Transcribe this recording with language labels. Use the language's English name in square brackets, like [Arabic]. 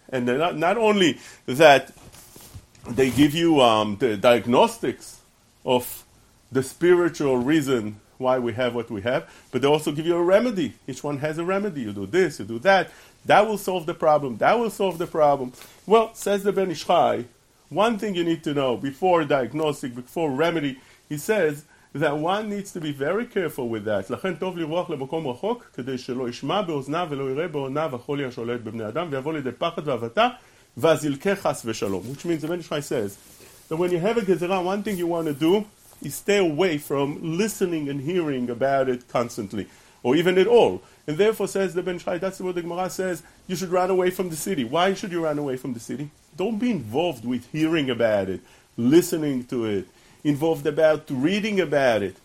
[English] And they're not only that they give you the diagnostics of the spiritual reason why we have what we have, but they also give you a remedy. Each one has a remedy. You do this, you do that. That will solve the problem. Well, says the Ben Ish Chai, one thing you need to know before diagnostic, before remedy, he says that one needs to be very careful with that. [Hebrew] לכן טוב לרוח למקום רחוק, כדי שלא ישמע באוזניו ולא יראה באוזניו החולי השולט בבני אדם, ויבוא לידי פחד ועבטה, ואז ילקה חס ושלום. [English] Which means, the Ben Ish Chai says, that when you have a gezerah, one thing you want to do is stay away from listening and hearing about it constantly, or even at all. And therefore, says the Ben Ish Chai, that's what the Gemara says, you should run away from the city. Why should you run away from the city? Don't be involved with hearing about it, listening to it, involved about reading about it.